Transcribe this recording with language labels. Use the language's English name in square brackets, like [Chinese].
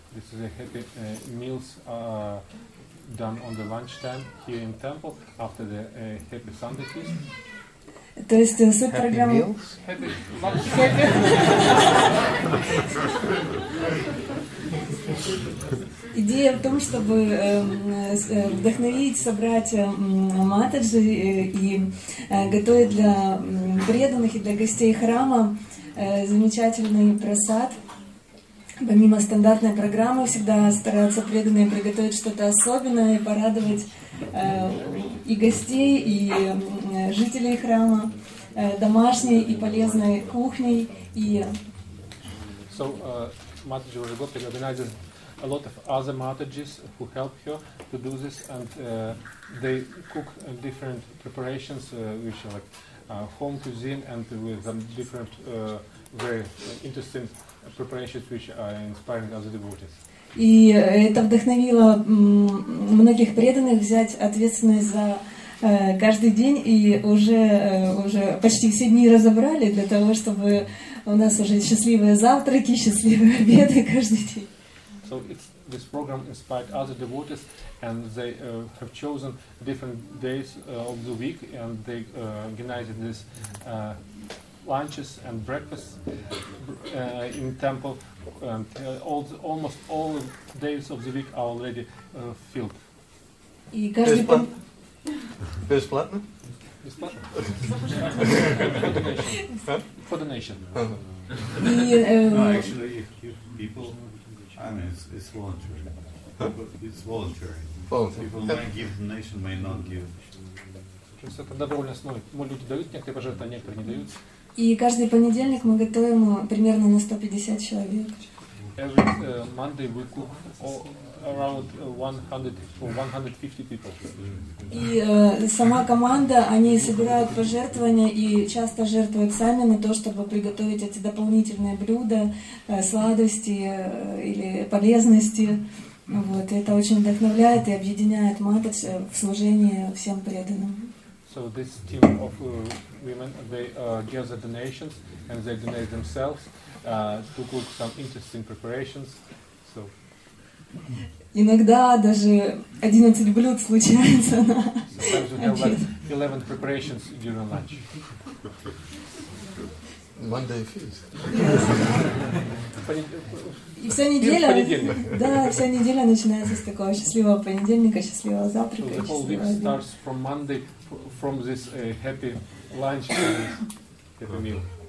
[English] This is a happy meals done on the lunchtime here in temple after the happy Sunday feast. [Russian] То есть субпрограмма идея в том, чтобы вдохновить, собрать Матаджи и готовить для преданных и для гостей храма замечательный просад. Помимо стандартной программы, всегда стараются преданные приготовить что-то особенное, порадовать и гостей, и жителей храма домашней и полезной кухней. И [English] so Mataji Vraja Gopika organizes a lot of other Matajis who help her to do this, and they cook different preparations, which are like home cuisine and with some different very interesting preparations which are inspiring other devotees. [Russian] И это вдохновило многих преданных взять ответственность за каждый день, и уже почти все дни разобрали для того, чтобы у нас уже счастливые завтраки, счастливые обеды каждый день. [English] So this program inspired other devotees, and they have chosen different days of the week, and they organized this lunches and breakfasts in temple, and almost all days of the week are already filled. [Russian] И каждый бесплатно? Бесплатно. [English] For donation. No, actually, if people, I mean, it's voluntary. It's voluntary. People might give donation, may not give. [Russian] То есть это добровольная основа. Мы люди дают, некоторые пожертвования, некоторые не дают. И каждый понедельник мы готовим примерно на 150 человек. [English] Every Monday we cook around 100 or 150 people. [Russian] И сама команда, они собирают пожертвования и часто жертвуют сами на то, чтобы приготовить эти дополнительные блюда, сладости или полезности. Вот, это очень вдохновляет и объединяет Матадж в служении всем преданным. [English] So this team of women, they gather donations and they donate themselves to cook some interesting preparations. So. [Russian] Иногда даже 11 блюд случается. [English] Sometimes we have like 11 preparations during lunch. Monday feast. [Russian] И вся неделя, да, вся неделя начинается с такого счастливого понедельника, счастливого завтрака. [English] So the whole week starts from Monday, from this happy lunch, happy meal.